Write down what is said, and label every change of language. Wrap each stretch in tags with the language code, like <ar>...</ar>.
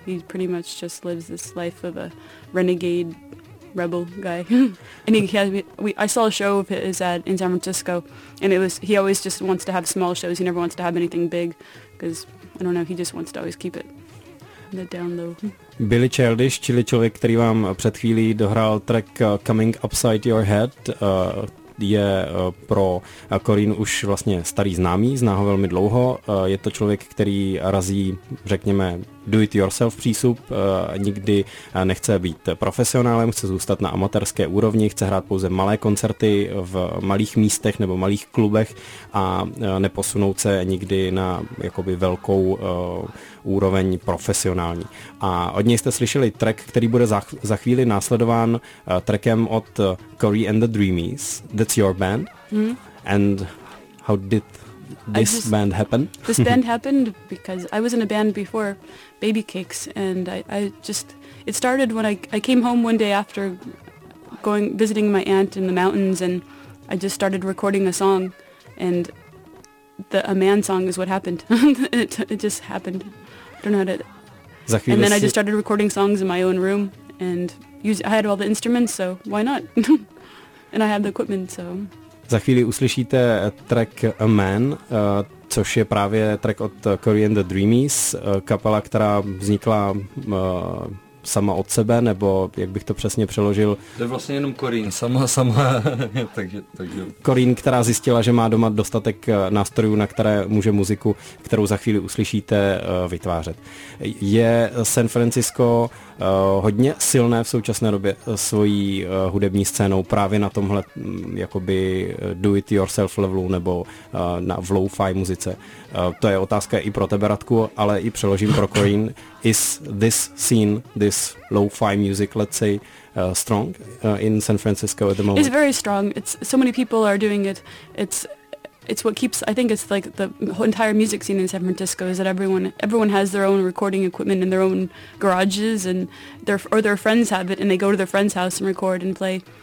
<en>He pretty much just lives this life of a renegade rebel guy. And I saw a show of his at in San Francisco, and he always just wants to have small shows. He never wants to have anything big, because I don't know, he just wants to always keep it down low.</en> <cs>Billy Childish, čili člověk, který vám před chvílí dohrál track Coming Upside Your Head, je pro Corinne už vlastně starý známý, zná ho velmi dlouho. Je to člověk, který razí, řekněme, do-it-yourself přístup, nikdy nechce být profesionálem, chce zůstat na amatérské úrovni, chce hrát pouze malé koncerty v malých místech nebo malých klubech a neposunout se nikdy na jakoby velkou úroveň profesionální. A od něj jste slyšeli track, který bude za chvíli následován trackem od Corey and the Dreamies.</cs> <en>That's your band? And how did This band happened because I was in a band before, Baby Cakes, and it started when I came home one day after visiting my aunt in the mountains, and I just started recording a song, and a man song is what happened. it just happened. I don't know how to. And then I just started recording songs in my own room, and I had all the instruments, so why not? And I had the equipment, so.</en> <cs>Za chvíli uslyšíte track A Man, což je právě track od Corey and the Dreamies, kapela, která vznikla sama od sebe, nebo jak bych to přesně přeložil. To je vlastně jenom Corey, sama. takže. Corey, která zjistila, že má doma dostatek nástrojů, na které může muziku, kterou za chvíli uslyšíte, vytvářet. Je San Francisco hodně silné v současné době svojí hudební scénou právě na tomhle jakoby do-it-yourself levelu nebo na v lo-fi muzice. To je otázka i pro tebe, Radku, ale i přeložím pro Corey.</cs> <en>Is this scene, this lo-fi music, let's say, strong in San Francisco at the moment? It's very strong. It's so many people are doing it. It's what keeps, I think it's like the entire music scene in San Francisco is that everyone has their own recording equipment in their own garages and their friends have it and they go to their friend's house and record and play.</en>